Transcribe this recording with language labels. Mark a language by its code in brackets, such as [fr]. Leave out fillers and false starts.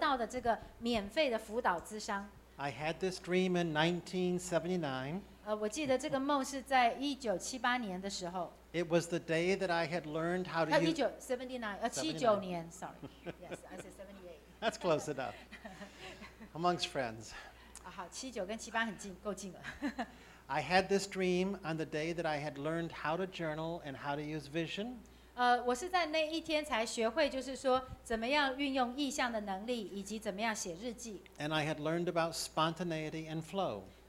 [zh] 我来跟你分享一次我从神全能神直接得到的这个免费的辅导咨商。 [en] I had this dream in 1979. [zh] 我记得这个梦是在1978年的时候。 [en] It was the day that I had learned how to use... 79年, sorry. Yes, I said 78. That's close enough. Amongst friends. [zh] 好,79跟78很近,够近了。 [en] I had this dream on the day that I had learned how to journal and how to use vision. [zh] 我是在那一天才学会就是说怎么样运用意象的能力以及怎么样写日记。 [en] And I had learned about spontaneity and flow.